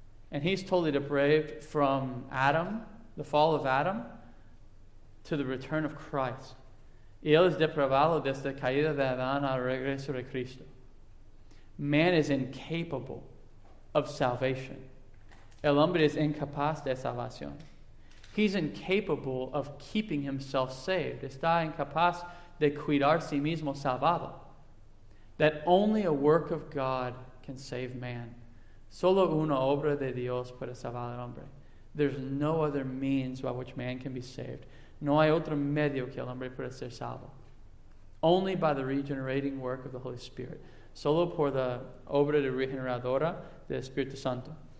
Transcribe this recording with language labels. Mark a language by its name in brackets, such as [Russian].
[English] And he's totally depraved from Adam, the fall of Adam, to the return of Christ. [Spanish] Y él es depravado desde la caída de Adán al regreso de Cristo. [English] Man is incapable of salvation. [Spanish] El hombre es incapaz de salvación. [English] He's incapable of keeping himself saved. [Spanish] Está incapaz de cuidar sí mismo salvado. [English] That only a work of God can save man. [Spanish] Solo una obra de Dios puede salvar al hombre. [English] There's no other means by which man can be saved. [Spanish] No hay otro medio que el hombre pueda ser salvo. [English] Only by the regenerating work of the Holy Spirit. [Spanish] Solo por la obra de regeneradora del Espíritu Santo.